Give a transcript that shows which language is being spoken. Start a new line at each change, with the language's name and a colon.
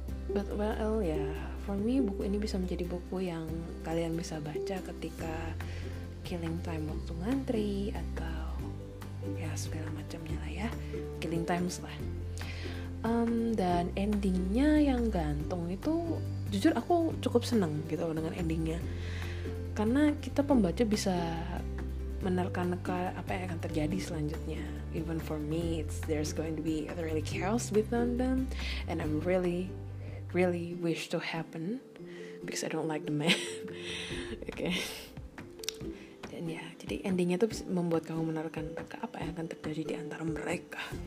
English: But well, yeah, for me
Indonesian: buku ini bisa menjadi buku yang kalian bisa baca ketika killing time waktu ngantri atau ya segala macamnya lah ya, killing times lah. Dan endingnya yang gantung itu, jujur aku cukup seneng gitu dengan endingnya, karena kita pembaca bisa menerka-neka apa yang akan terjadi selanjutnya.
English: Even for me, there's going to be a really chaos with them, and I'm really, really wish to happen because I don't like the man. Okay.
Indonesian: Dan ya, jadi endingnya tuh membuat kamu menerka-neka apa yang akan terjadi di antara mereka.